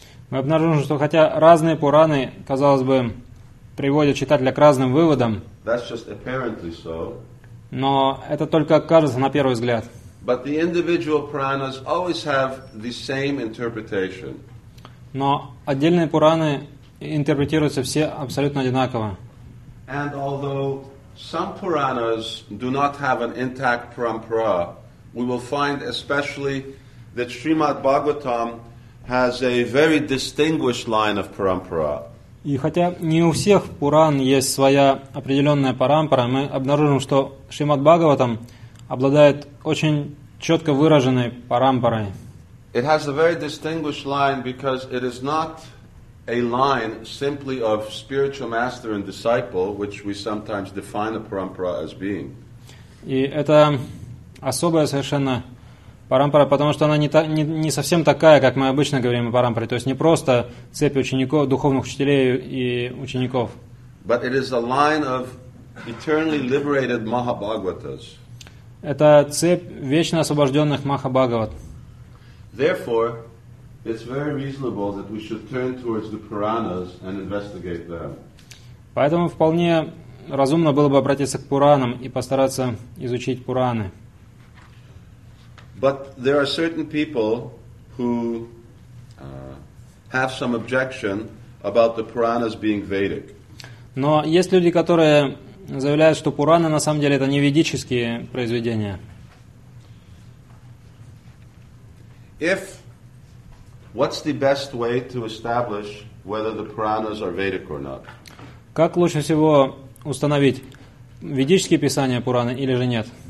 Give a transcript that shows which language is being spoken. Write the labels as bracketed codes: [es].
[ru] мы обнаружим, что хотя разные Пураны, казалось бы, приводят читателя к разным выводам, [en] that's just apparently so, [ru] но это только кажется на первый взгляд. [en] But the individual Puranas always have the same interpretation. [ru] Но отдельные Пураны интерпретируются все абсолютно одинаково. [en] And although some Puranas do not have an intact parampara, we will find especially that Srimad Bhagavatam has a very distinguished line of parampara. [ru] И хотя не у всех Пуран есть своя определенная парампара, мы обнаружим, что Шримад Бхагаватам обладает очень четко выраженной парампарой. [en] It has a very distinguished line because it is not a line simply of spiritual master and disciple, which we sometimes define a parampara as being. [ru] И это особая совершенно парампара, потому что она не совсем такая, как мы обычно говорим о парампаре, то есть не просто цепь учеников, духовных учителей и учеников. [en] But it is a line of eternally liberated Mahabhagavatas. [ru] Это цепь вечно освобожденных Махабхагават. [en] Therefore, it's very reasonable that we should turn towards the Puranas and investigate them. [ru] Поэтому вполне разумно было бы обратиться к Пуранам и постараться изучить Пураны. [en] But there are certain people who have some objection about the Puranas being Vedic. [ru] Но есть люди, которые заявляют, что Пураны на самом деле это не ведические произведения. [en] If What's the best way to establish whether the Puranas are Vedic or not? [ru] Как лучше всего установить, ведические писания Пураны или же нет?